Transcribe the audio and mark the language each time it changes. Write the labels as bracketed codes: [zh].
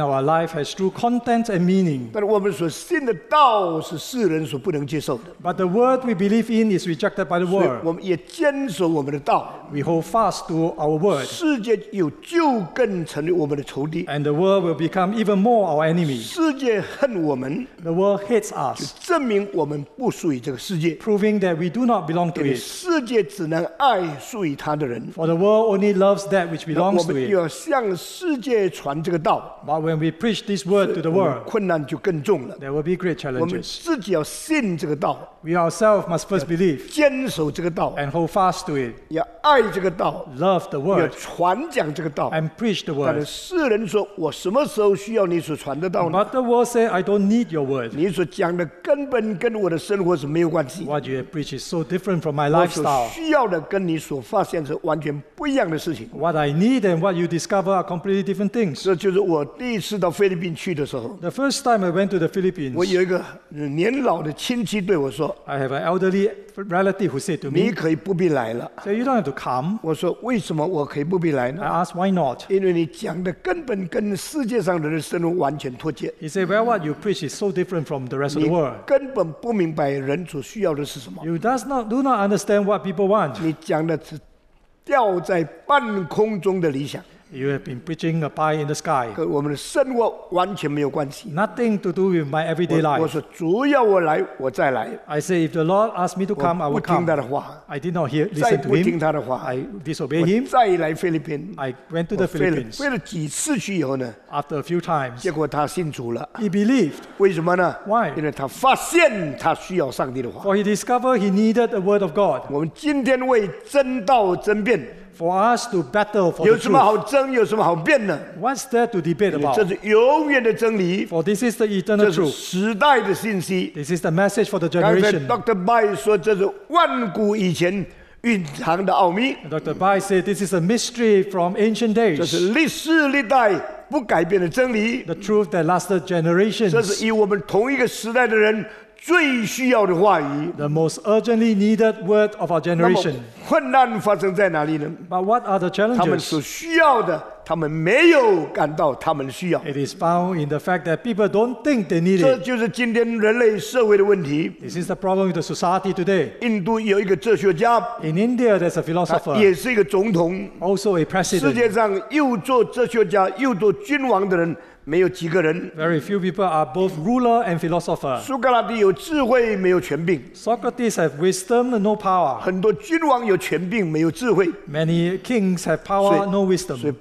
[en] our life has true content and meaning. [zh] 但我们所信的道是世人所不能接受的。 [en] But the word we believe in is rejected by the world. [zh] 所以我们也坚守我们的道。 [en] We hold fast to our word. [zh] 世界有旧根成为我们的仇敌。 [en] And the world will become even more our enemy. [zh] 世界恨我们。 [en] The world hates us. [zh] 证明我们不属于这个世界。 [en] Proving that we do not belong to it. [zh] 世界只能爱属于他的人。 [en] For the world only loves that which belongs to it. [zh] 向世界传这个道， [en] But when we preach this word to the world, [zh] 困难就更重了。 [en] There will be great challenges. [zh] 我们自己要信这个道， [en] We ourselves must first believe, [zh] 坚守这个道， [en] And hold fast to it. [zh] 要爱这个道， [en] Love the word, [zh] 要传讲这个道， [en] And preach the word. [zh] 但是世人说，我什么时候需要你所传的道呢？ [en] But the world say, I don't need your word. [zh] 你所讲的根本跟我的生活是没有关系。 [en] What you preach is so different from my lifestyle. [zh] 我所需要的跟你所发现是完全不一样的事情。 [en] What I need and what you desire discover are completely different things. [zh] 这就是我第一次到菲律宾去的时候。 [en] The first time I went to the Philippines, [zh] 我有一个年老的亲戚对我说， [en] I have an elderly relative who said to me, [zh] 你可以不必来了。 [en] So you don't have to come. [zh] 我说为什么我可以不必来呢？ [en] I asked why not? [zh] 因为你讲的根本跟世界上的人生完全脱节。 [en] He said, well, what you preach is so different from the rest of the world. [zh] 你根本不明白人所需要的是什么。 [en] You do not understand what people want. [zh] 你讲的是掉在半空中的理想。 [en] You have been preaching a pie in the sky. [zh] 跟我们的生活完全没有关系。 [en] Nothing to do with my everyday life. [zh] 我说主要我来，我再来。 [en] I say if the Lord asked me to come, I will come. [zh] 我不听他的话。 [en] I did not hear, listen to him. [zh] 再不听他的话。 [en] I disobeyed him. [zh] 我再来菲律宾。 [en] I went to the Philippines. [zh] 飞了几次去以后呢？ [en] After a few times. [zh] 结果他信主了。 [en] He believed. [zh] 为什么呢？ [en] Why? [zh] 因为他发现他需要上帝的话。 [en] For he discovered he needed the word of God. [zh] 我们今天为真道争辩。 [en] For us to battle for the truth. [zh] 有什么好争，有什么好辩呢？ [en] What's there to debate about? [zh] 这是永远的真理。 [en] For this is the eternal truth. [zh] 这是时代的信息。 [en] This is the message for the generation. [zh] 刚才 Dr. Bai 说，这是万古以前。蕴藏的奥秘。 [en] Dr. Bai said this is a mystery from ancient days. [zh] 这是历世历代不改变的真理。 [en] The truth that lasted generations. [zh] 这是以我们同一个时代的人最需要的话语。 [en] The most urgently needed word of our generation. [zh] 困难发生在哪里呢？ [en] But what are the challenges? [zh] 他们所需要的。 [en] It is found in the fact that people don't think they need it. [zh] 这就是今天人类社会的问题。 [en] This is the problem with the society today. [zh] 印度有一个哲学家。 [en] In India, there's a philosopher. [zh] 也是一个总统。 [en] Also a president. [zh] 世界上又做哲学家又做君王的人。没有几个人。 [en] Very few people are both ruler and philosopher. [zh] 苏格拉底有智慧没有权柄。 [en] Socrates have wisdom and no power. [zh] 很多君王有权柄没有智慧。 [en] Many kings have power no wisdom.